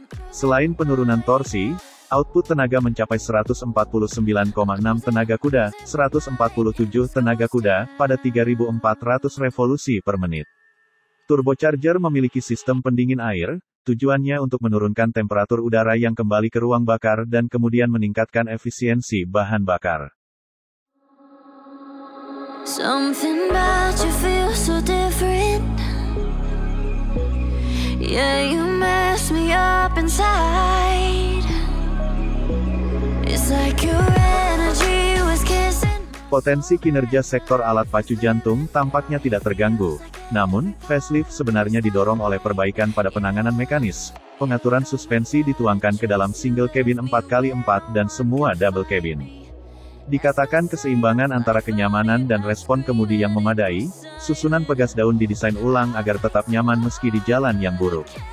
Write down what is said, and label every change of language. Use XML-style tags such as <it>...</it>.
<id>Selain penurunan torsi, output tenaga mencapai 149,6 tenaga kuda, 147 tenaga kuda, pada 3400 revolusi per menit. Turbocharger memiliki sistem pendingin air, tujuannya untuk menurunkan temperatur udara yang kembali ke ruang bakar dan kemudian meningkatkan efisiensi bahan bakar.</id> <en>Something about you feels so different. Yeah, you mess me up inside. It's like your energy was kissing.</en> <id>Potensi kinerja sektor alat pacu jantung tampaknya tidak terganggu. Namun, facelift sebenarnya didorong oleh perbaikan pada penanganan mekanis. Pengaturan suspensi dituangkan ke dalam single cabin 4x4 dan semua double cabin. Dikatakan keseimbangan antara kenyamanan dan respon kemudi yang memadai, susunan pegas daun didesain ulang agar tetap nyaman meski di jalan yang buruk.</id>